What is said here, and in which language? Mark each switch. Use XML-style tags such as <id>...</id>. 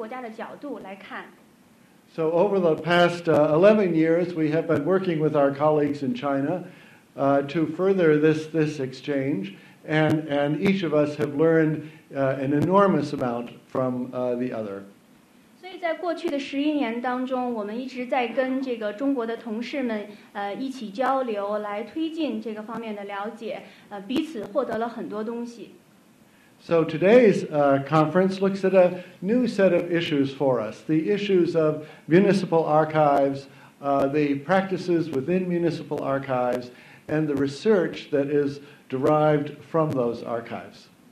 <zh>好的，了解我们本国的这种档案实践是怎么做的这种方式的话呢，就是跳出来，从另外一个其他国家的角度来看。</zh> <en>So over the past 11 years, we have been working with our colleagues in China to further this exchange, and each of us have learned an enormous amount from the other.</en> <zh>在过去的11年当中，我们一直在跟这个中国的同事们一起交流，来推进这个方面的了解，彼此获得了很多东西。</zh> <en>So today's conference looks at a new set of issues for us, the issues of municipal archives, the practices within municipal archives, and the research that is derived from those archives.</en>